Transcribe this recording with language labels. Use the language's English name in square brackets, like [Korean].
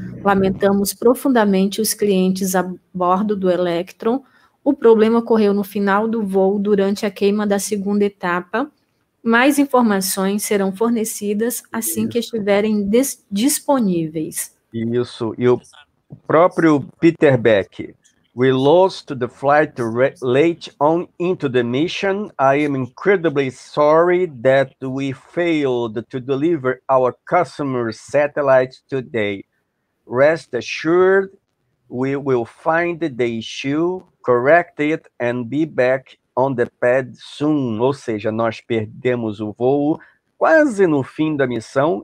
[Portuguese] Lamentamos profundamente os clientes a bordo do Electron. O problema ocorreu no final do voo, durante a queima da segunda etapa. Mais informações serão fornecidas assim que estiverem disponíveis. Isso. E o próprio Peter Beck. [English] We lost the flight late on into the mission. I am incredibly sorry that we failed to deliver our customer's satellite today. Rest assured, we will find the issue, correct it, and be back on the pad soon. [Portuguese] Ou seja, nós perdemos o voo quase no fim da missão.